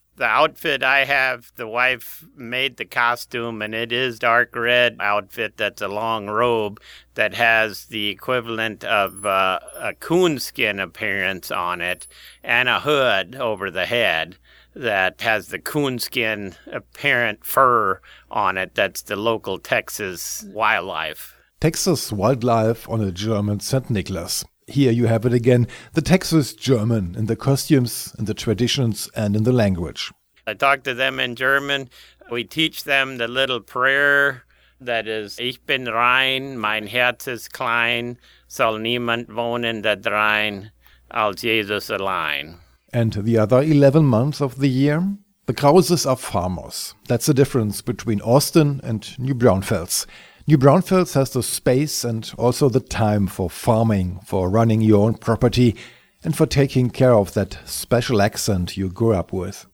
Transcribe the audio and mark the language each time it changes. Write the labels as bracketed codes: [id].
[en] The outfit I have, the wife made the costume, and it is dark red outfit that's a long robe that has the equivalent of a coonskin appearance on it and a hood over the head that has the coonskin apparent fur on it. That's the local Texas wildlife. Texas wildlife on a German St. Nicholas. Here you have it again, the Texas German in the costumes, in the traditions, and in the language. I talk to them in German. We teach them the little prayer that is, [de] Ich bin rein, mein Herz ist klein, soll niemand wohnen da drein, als Jesus allein. [en] And the other 11 months of the year? The Krauses are farmers. That's the difference between Austin and New Braunfels. New Braunfels has the space and also the time for farming, for running your own property, and for taking care of that special accent you grew up with.